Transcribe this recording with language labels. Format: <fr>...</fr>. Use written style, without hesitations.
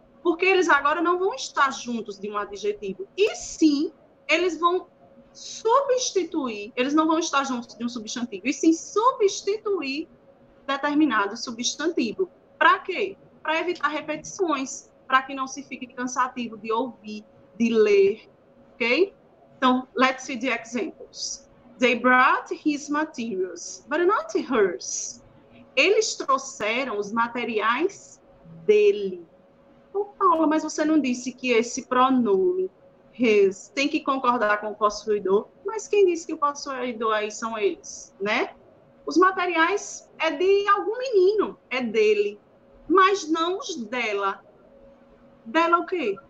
<pt>Porque eles agora não vão estar juntos de um adjetivo. E sim, eles vão substituir, eles não vão estar juntos de um substantivo, e sim substituir determinado substantivo. Para quê? Para evitar repetições, para que não se fique cansativo de ouvir, de ler, ok? Então,</pt> <en>let's see the examples. They brought his materials, but not hers.</en> <pt>Eles trouxeram os materiais dele. Oh, Paula, mas você não disse que esse pronome his tem que concordar com o possuidor? Mas quem disse que o possuidor aí são eles, né? Os materiais é de algum menino, é dele, mas não os dela. Dela o quê?</pt>